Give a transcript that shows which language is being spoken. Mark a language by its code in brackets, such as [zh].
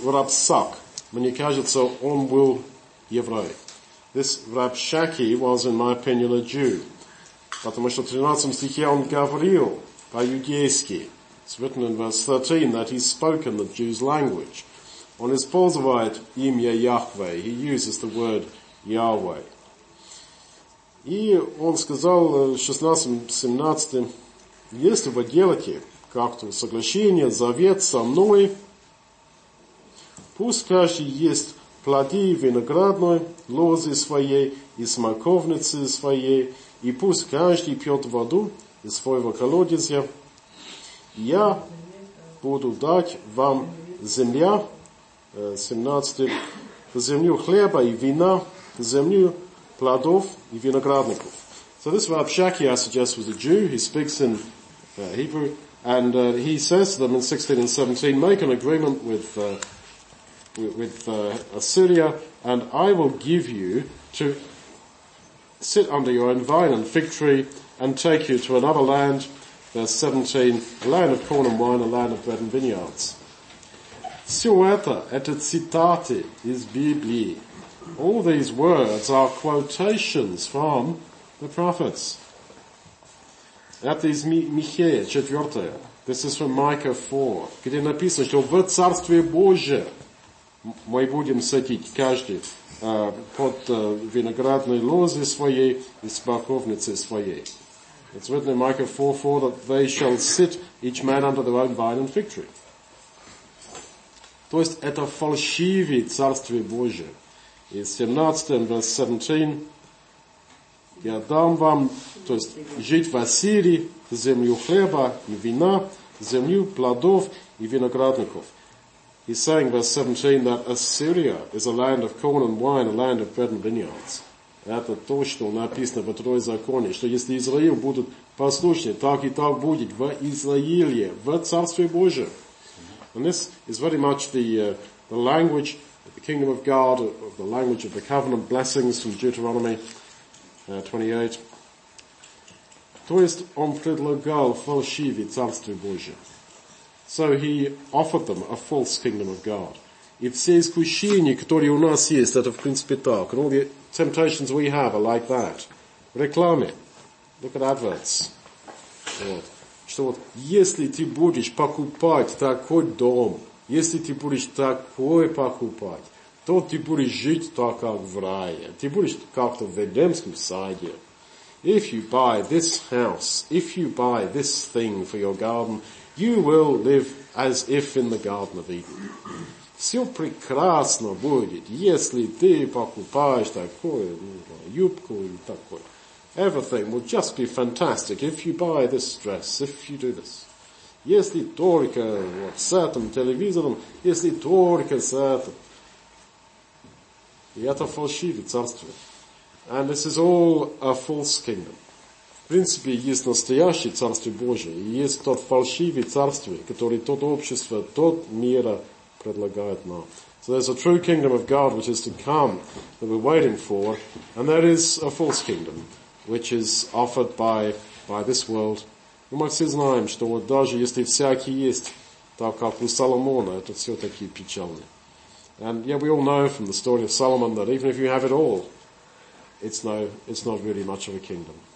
[ru] 16 and 17, Рабсак, мне кажется, он был еврей. [en] This Рабшаки was, in my opinion, a Jew. [ru] Потому что в 13 стихе он говорил по-юдейски. [en] It's written in verse 13 that he spoke in the Jews' language. [ru] On his ползывает имя Яхве. [en] He uses the word Yahweh. [ru] И он сказал в 16-17, если вы делаете как-то соглашение, завет со мной, пусть каждый ест плоды виноградной, лозы своей и смоковницы своей, и пусть каждый пьет воду из своего колодезя, я буду дать вам земля, 17, землю хлеба и вина, землю плодов и виноградников. [en] So this Rab Shaki, I suggest, was a Jew. He speaks in Hebrew. And he says to them in 16 and 17, make an agreement with Assyria, and I will give you to sit under your own vine and fig tree and take you to another land, verse 17, a land of corn and wine, a land of bread and vineyards. [ru] Силуэта, это цитаты из Библии. [en] All these words are quotations from the prophets. [ru] Это из Михея, 4. [en] This is from Micah 4, [ru] где написано, что в Царстве Божие мы будем садить каждый под виноградной лозы своей и смоковницей своей. [en] It's written in Micah 4:4 that they shall sit each man under their own vine and fig tree. [ru] То есть это фальшивое Царствие Божие. И 17, [en] verse 17, [ru] я дам вам, то есть жить в Ассирии, землю хлеба и вина, землю плодов и виноградников. [en] He's saying, verse 17, that Assyria is a land of corn and wine, a land of bread and vineyards. [ru] Это то, что написано во Второй Законе, что если Израиль будет послушный, так и так будет в Израиле, в Царстве Божьем. [en] And this is very much the language of the kingdom of God, of the language of the covenant blessings from Deuteronomy 28. [ru] То есть он предлагал фальшивое Царствие Божие. [en] So he offered them a false kingdom of God. [ru] И все искушения, которые у нас есть, это в принципе так. [en] And all the temptations we have are like that. [ru] Рекламы. [en] Look at adverts. [ru] Вот. Что вот, если ты будешь покупать такой дом, если ты будешь такой покупать, то ты будешь жить так, как в рае. Ты будешь как-то в Эдемском саде. [en] If you buy this house, if you buy this thing for your garden, you will live as if in the Garden of Eden. [ru] Все прекрасно будет, если ты покупаешь такую, ну, юбку и такой. [en] Everything will just be fantastic if you buy this dress, if you do this. [ru] Если только вот с этим телевизором, если только с этим. И это фальшивое царство. [en] And this is all a false kingdom. [ru] В принципе, есть настоящее царство Божие, и есть тот фальшивое царство, которое тот общество, тот мир предлагает нам. [en] So there's a true kingdom of God which is to come, that we're waiting for, and there is a false kingdom, which is offered by this world. [ru] Но мы все знаем, что вот даже если всякий есть, так как у Соломона, это все-таки печально. [en] And yeah, we all know from the story of Solomon that even if you have it all, it's not really much of a kingdom.